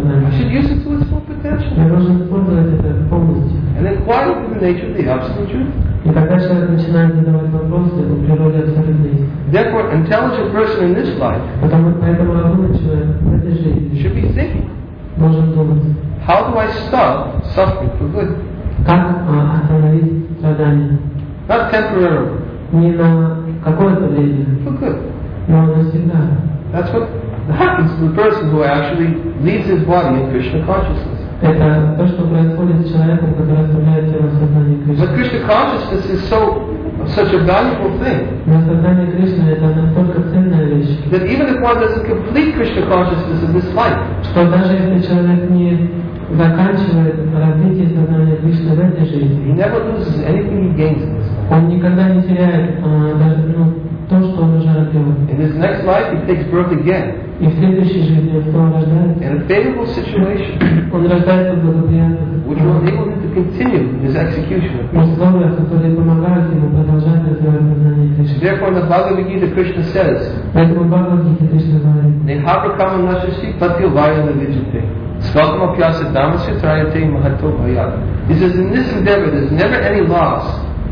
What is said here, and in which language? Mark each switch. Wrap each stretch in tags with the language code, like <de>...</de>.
<en>I should use it to its full potential. And inquire into the nature of the absolute truth.</en> <ru>И когда человек начинает задавать вопросы о природе абсолютной истины.</ru> <en>Therefore, an intelligent person in this life,</en> <ru>поэтому разумный человек в этой жизни,</ru> <en>should be thinking,</en> <ru>должен думать,</ru> <en>how do I stop suffering for good?</en> <ru>Как остановить страдания?</ru> <en>Not temporarily.</en> <ru>Не на какое-то время.</ru> <en>For good.</en> <ru>Но навсегда.</ru> <en>That's what happens to the person who actually leaves his body in Krishna consciousness.</en> <ru>Это то, что происходит с человеком, который оставляет тело в сознании Кришны.</ru> <en>But Krishna consciousness is so such a valuable thing.</en> <ru>Но сознание Кришны это настолько ценная вещь.</ru> <en>That even if one doesn't complete Krishna consciousness in this life,</en> <ru>что даже если человек не заканчивает развитие сознания Кришны в этой жизни,</ru> <en>he never loses anything he gains in this life.</en> <ru>Он никогда не теряет даже то, что он уже обрел.</ru> <en>In his next life, he takes birth again.</en> <ru>И в следующей жизни он рождается.</ru> <en>In a favorable situation.</en> <ru>Он рождается в благоприятных.</ru> <en>Which will enable him to continue his execution.</en> <ru>Условия, которые помогают ему продолжать развивать сознание Кришны.</ru> <en>Therefore, in the Bhagavad Gita, Krishna says.</en> <ru>Поэтому Бхагавад Гита Кришна говорит.</ru> <sa>Нехабракама нашаси патил вайна виджите. Скалкама пьяса дамаси трайате махато бхаят.</sa> <en>He says, in this endeavor, there's never any loss.</en>